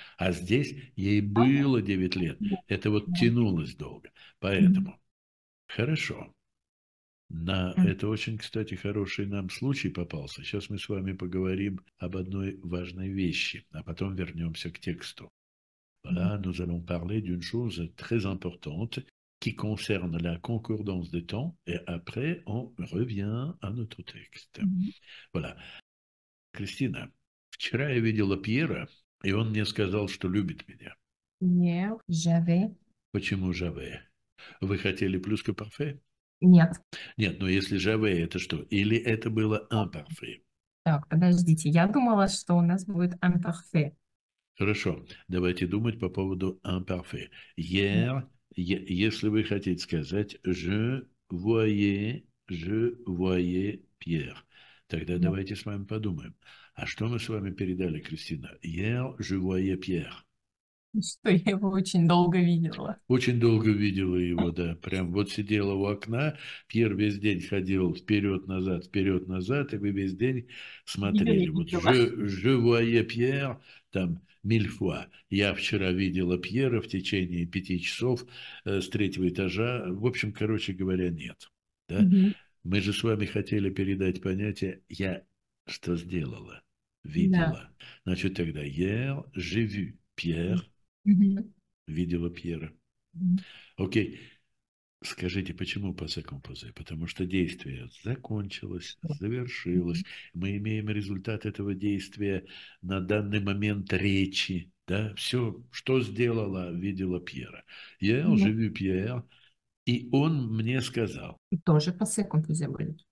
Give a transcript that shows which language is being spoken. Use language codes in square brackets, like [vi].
[ru] А здесь ей было 9 лет, это вот тянулось долго. Поэтому, хорошо, это очень, кстати, хороший нам случай попался. Сейчас мы с вами поговорим об одной важной вещи, а потом вернемся к тексту. [fr] Voilà, nous allons parler d'une chose très importante. Qui concerne la concordance des temps, et après, on revient à notre texte. Voilà. [ru] Кристина, вчера я видела Пьера, и он мне сказал, что любит меня. Нет, j'avais. Почему Жаве? Вы хотели плюс que parfait? Нет. Нет, но если Жаве, это что? Или это было imparfait? Так, подождите, я думала, что у нас будет imparfait. Хорошо, давайте думать по поводу imparfait. Hier, если вы хотите сказать [fr] «je voyais Pierre», [ru] тогда давайте с вами подумаем. А что мы с вами передали, Кристина? [fr] «Hier, je voyais Pierre». [ru] Что я его очень долго видела. Очень долго видела его, да. Прям вот сидела у окна, Пьер весь день ходил вперед-назад, и вы весь день смотрели. Вот Ненавидела. [fr] «je voyais Pierre», там «mille fois». [ru] Я вчера видела Пьера в течение 5 часов с третьего этажа. В общем, короче говоря, нет. Да? Мы же с вами хотели передать понятие «я что сделала?» Да. «Видела». Значит, тогда [fr] «hier, j'ai vu Pierre». [ru] «Видела Пьера». Окей. Скажите, почему passé composé? Потому что действие закончилось, завершилось. Мы имеем результат этого действия на данный момент речи. Да? Все, что сделала, видела Пьера. Я уже вижу Пьера, и он мне сказал. Тоже по секунду забудет.